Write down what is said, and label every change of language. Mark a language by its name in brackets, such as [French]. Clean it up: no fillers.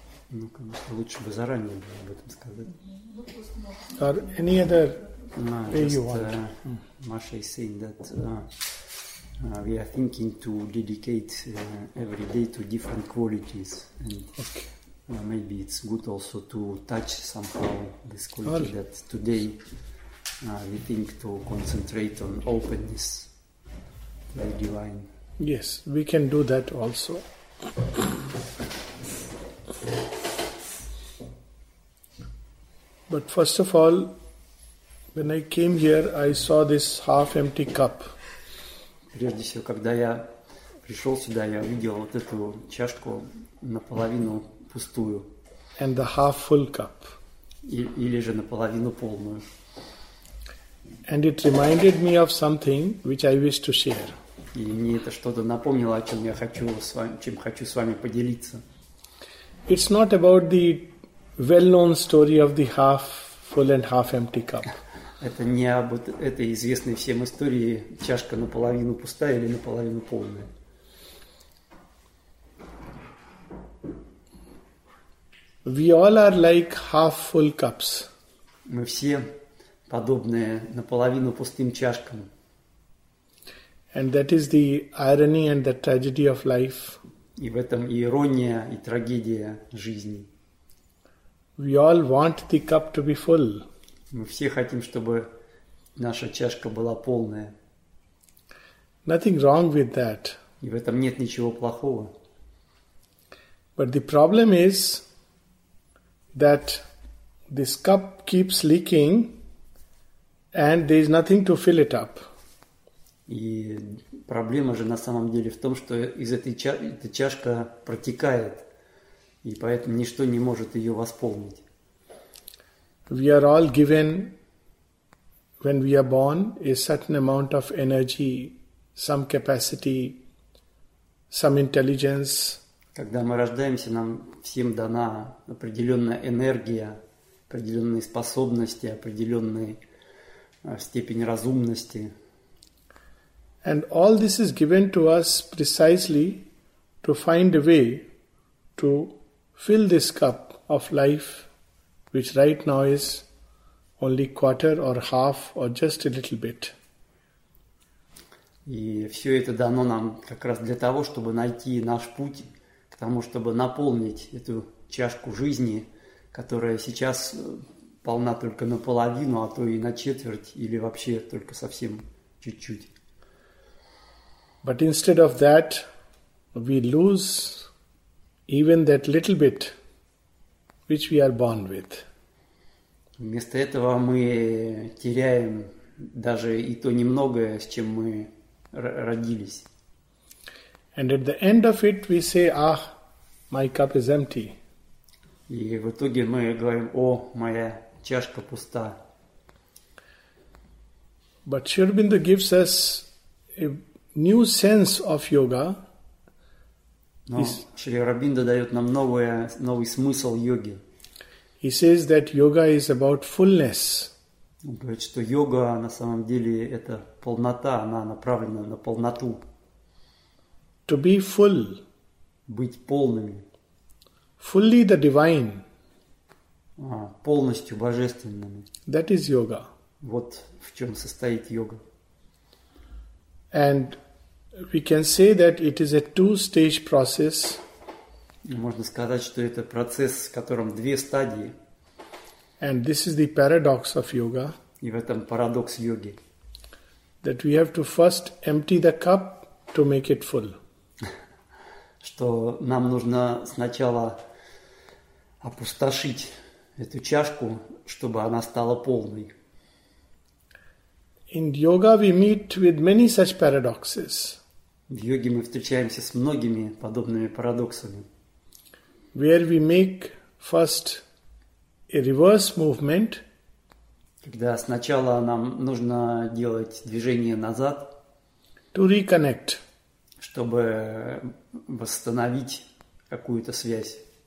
[Russian] Ну, конечно, лучше бы заранее было об этом сказать. [English] Or any other way you want. Маша is saying that we are thinking to dedicate every day to different qualities. And okay. Maybe it's good also to touch somehow this quality or that today we think to concentrate on openness to the divine. Yes, we can do that also. But first of all, when I came here, I saw this half-empty cup. [Russian] Прежде всего, когда я пришел сюда, я увидел вот эту чашку наполовину пустую. [English] And the half-full cup. [Russian] Или же наполовину полную. [English] And it reminded me of something which I wish to share. [Russian] И мне это что-то напомнило, о чем я хочу с вами, чем хочу с вами поделиться. [English] It's not about the well-known story of the half-full and half-empty cup. [Russian] Это не об этой известной всем истории чашка наполовину пустая или наполовину полная. [English] We all are like half-full cups. [Russian] Мы все подобные наполовину пустым чашкам. [English] And that is the irony and the tragedy of life. [Russian] И в этом и ирония, и трагедия жизни. [English] We all want the cup to be full. [Russian] Мы все хотим, чтобы наша чашка была полная. [English] Nothing wrong with that. [Russian] И в этом нет ничего плохого. [English] But the problem is that this cup keeps leaking and there is nothing to fill it up. [Russian] И проблема же на самом деле в том, что из этой эта чашка протекает, и поэтому ничто не может ее восполнить. [English] We are all given, when we are born, a certain amount of energy, some capacity, some intelligence. [Russian] Когда мы рождаемся, нам всем дана определенная энергия, определенные способности, определенная степень разумности. [English] And all this is given to us precisely to find a way to fill this cup of life, which right now is only quarter or half or just a little bit. [Russian] И все это дано нам как раз для того, чтобы найти наш путь к тому, чтобы наполнить эту чашку жизни, которая сейчас полна только наполовину, а то и на четверть, или вообще только совсем чуть-чуть. [English] But instead of that, we lose even that little bit, which we are born with. [Russian] Вместо этого мы теряем даже и то немногое, с чем мы родились. [English] And at the end of it, we say, "Ah, my cup is empty." [Russian] И в итоге мы говорим: "О, моя чашка пуста." [English] But Sri Aurobindo gives us a new sense of yoga. [Russian] No, Sri Aurobindo дает нам новый смысл йоги. [English] He says that yoga is about fullness. [Russian] Он говорит, что йога на самом деле это полнота, она направлена на полноту. [English] To be full. [Russian] Быть полными. [English] Fully the divine. [Russian] Полностью божественными. [English] That is yoga. [Russian] Вот в чем состоит йога. [English] And we can say that it is a two-stage process. [Russian] Можно сказать, что это процесс, в котором две стадии. [English] And this is the paradox of yoga. [Russian] И в этом парадокс йоги. [English] That we have to first empty the cup to make it full. [Russian] Что нам нужно сначала опустошить эту чашку, чтобы она стала полной. [English] In yoga we meet with many such paradoxes. [Russian] В йоге мы встречаемся с многими подобными парадоксами. [English] Where we make first a reverse movement. [Russian] Когда сначала нам нужно делать движение назад. [English] To reconnect. [Russian] Чтобы восстановить какую-то связь.